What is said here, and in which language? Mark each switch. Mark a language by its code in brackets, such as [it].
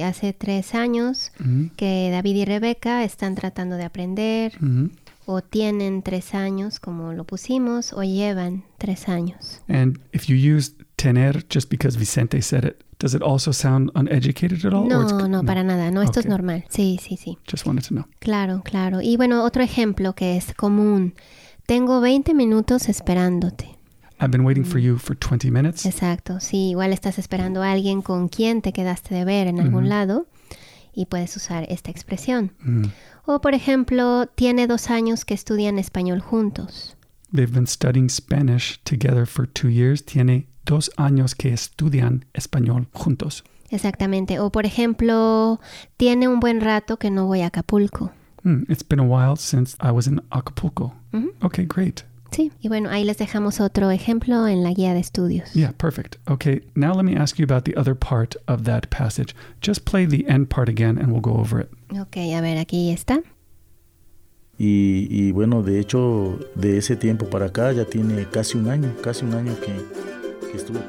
[es] Hace 3 años que David y Rebeca están tratando de aprender o tienen 3 años, como lo pusimos, o llevan 3 años. [en] And if you use tener just because Vicente said it, does it also sound uneducated at all? [es] No, para nada. No, esto es normal. Sí, sí, sí. [en] Just wanted to know. [es] Claro, claro. Y bueno, otro ejemplo que es común. Tengo 20 minutos esperándote. [en] I've been waiting for you for 20 minutes. [es] Exacto. Sí, igual estás esperando a alguien con quien te quedaste de ver en algún lado y puedes usar esta expresión. O por ejemplo, tiene 2 años que estudian español juntos. [en] They've been studying Spanish together for 2 years. [es] Tiene 2 años que estudian español juntos. Exactamente. O por ejemplo, tiene un buen rato que no voy a Acapulco. [en] It's been a while since I was in Acapulco. Okay, great. [es] Sí. Y bueno, ahí les dejamos otro ejemplo en la guía de estudios. [en] Yeah, perfect. Okay, now let me ask you about the other part of that passage. Just play the end part again and we'll go over it. [es] Okay, a ver, aquí está. Y bueno, de hecho, de ese tiempo para acá ya tiene casi un año que...